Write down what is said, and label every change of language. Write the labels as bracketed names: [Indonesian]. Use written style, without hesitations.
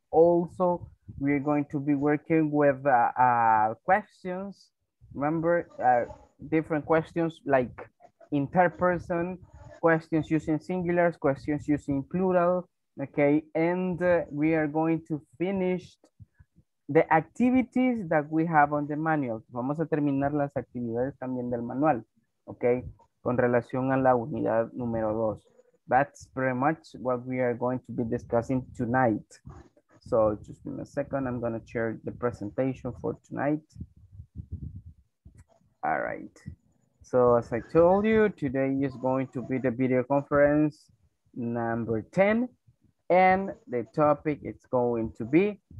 [English] Also, we're going to be working with questions. Remember, different questions like interperson, questions using singulars, questions using plural, okay, and we are going to finish the activities that we have on the manual. [Spanish] Vamos a terminar las actividades también del manual, okay? Con relación a la unidad número dos. [English] That's pretty much what we are going to be discussing tonight. So just give me a second, I'm gonna share the presentation for tonight. All right. So as I told you, today is going to be the video conference number 10. And the topic is going to be